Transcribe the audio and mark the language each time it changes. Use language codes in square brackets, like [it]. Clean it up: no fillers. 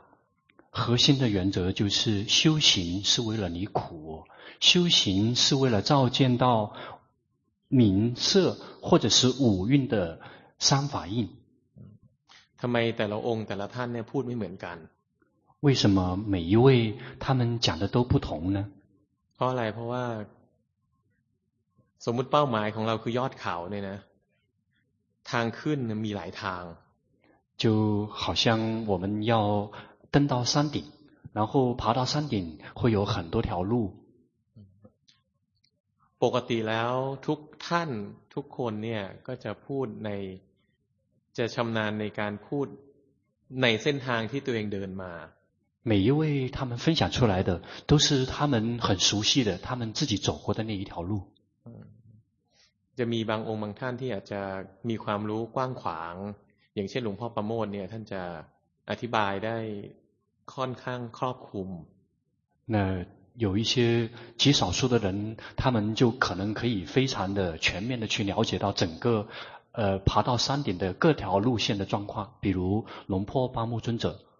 [zh] 核心的原则就是修行是为了离苦修行是为了照见到名色或者是五蕴的三法印 [th] ทำไมแต่ละองค์แต่ละท่านเนี่ยพูดไม่เหมือนกัน [zh] 为什么每一位他们讲的都不同呢 [th] เพราะอะไรเพราะว่าสมมติเป้าหมายของเราคือยอดเขาเนี่ยนะทางขึ้นมีหลายทาง [zh] 就好像我们要登到山顶然后爬到山顶会有很多条路 [th] ปกติแล้วทุกท่านทุกคนเนี่ยก็จะพูดในจะชำนาญในการพูดในเส้นทางที่ตัวเองเดินมา [zh] 每一位他们分享出来的都是他们很熟悉的他们自己走过的那一条路 [th] จะมีบางองค์บางท่านที่อาจจะมีความรู้กว้างขวางอย่างเช่นหลวงพ่อประโมทเนี่ยท่านจะอธิบายได้ค่อนข้างครอบคลุม [zh] 那有一些极少数的人他们就可能可以非常的全面的去了解到整个爬到山顶的各条路线的状况比如หลวงพ่อประโมทจุ